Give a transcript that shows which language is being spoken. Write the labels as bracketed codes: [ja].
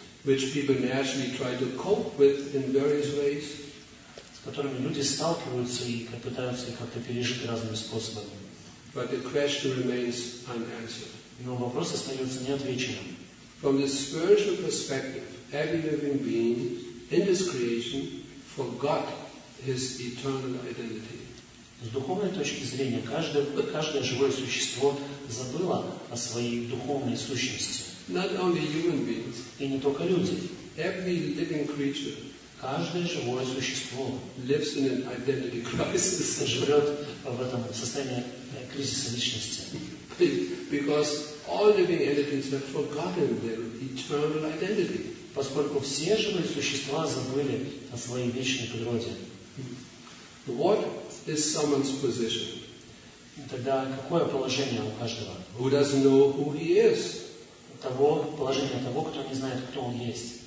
[en] which people naturally try to cope with in various ways, [ru] с которыми люди сталкиваются и пытаются их как-то пережить разными способами. [en] But the question remains unanswered. [ru] Но вопрос остается неотвеченным. [en] From the spiritual perspective, every living being in this creation forgot his eternal identity. [ru] С духовной точки зрения, каждое живое существо забыло о своей духовной сущности. [en] Not only human beings. [ru] И не только люди. [en] Every living creature. [ru] Каждое живое существо. [en] Lives in an identity crisis. [ru] Живет в этом состоянии кризиса личности. [en] Because all living entities have forgotten their eternal identity. [ru] Поскольку все живые существа забыли о своей вечной природе. [en] What is someone's position? [ru] Тогда какое положение у каждого? [en] Who doesn't know who he is? [ru] Того, положение того, кто не знает, кто он есть.